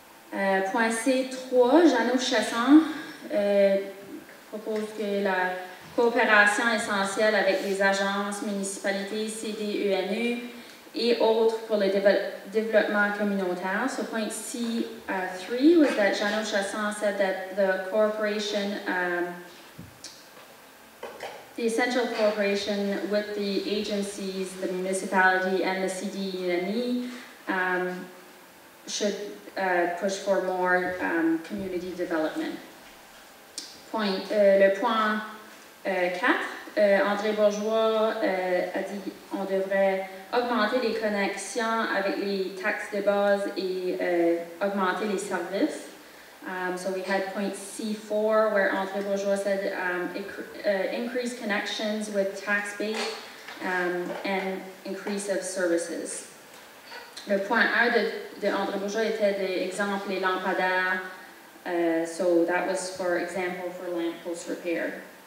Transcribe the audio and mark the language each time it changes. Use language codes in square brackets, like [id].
[fr] Point C3, Jeannot Chasson propose que la coopération essentielle avec les agences, municipalités, CDENU et autres pour le développement communautaire. [en] So point C3 was that Jeannot Chasson said that the cooperation, the essential cooperation with the agencies, the municipality and the CDENU should push for more community development. [fr] Point, le point 4, André Bourgeois a dit qu'on devrait augmenter les connexions avec les taxes de base et augmenter les services. [en] So we had point C4 where André Bourgeois said increase connections with tax base and increase of services. [fr] Le point 1 de André Bourgeois était d'exemple les lampadaires. [en] So that was for example for lamp post repair.